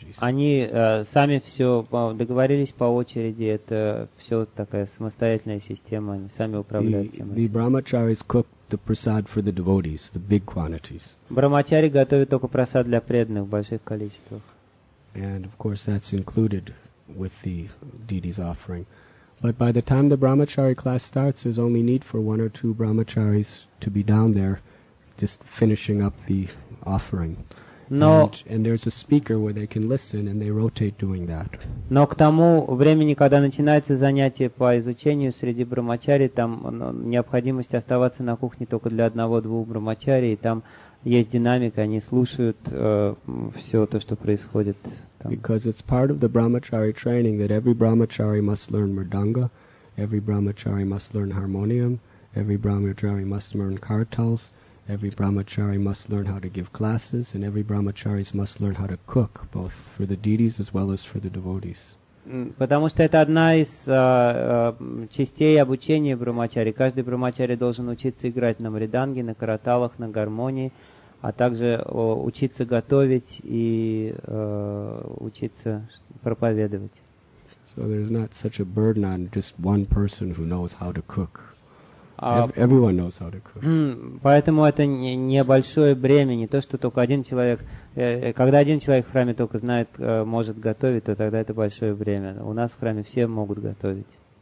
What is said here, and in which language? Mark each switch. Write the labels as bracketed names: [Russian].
[Russian] Они сами все договорились по очереди, это все такая самостоятельная система, они сами управляют всем этим. [English] The brahmacharis cook the prasad for the devotees, the big quantities. [Russian] Брахмачари готовят только прасад для преданных в больших количествах. [English] And of course, that's included with the deity's offering. But by the time the brahmachari class starts, there's only need for one or two brahmacharis to be down there, just finishing up the offering. No. And there's a speaker where they can listen, and they rotate doing that. [Russian] Но к тому времени, когда начинается занятие по изучению среди брахмачари, там необходимость оставаться на кухне только для одного-двух брахмачари, и там есть динамика, они слушают все то, что происходит там. [English] Because it's part of the brahmachari training that every brahmachari must learn mridanga, every brahmachari must learn harmonium, every brahmachari must learn kartals, every brahmachari must learn how to give classes, and every brahmachari must learn how to cook, both for the deities as well as for the devotees. [Russian] Потому что это одна из частей обучения брахмачари. Каждый брахмачари должен учиться играть на мриданге, на караталах, на гармонии, а также учиться готовить и учиться проповедовать. [English] So there's not such a burden on just one person who knows how to cook. Everyone knows how to cook. [Russian] Поэтому это небольшое бремя, не то, что только один человек. Когда один человек в храме только знает, может готовить, то тогда это большое бремя. У нас в храме все могут готовить.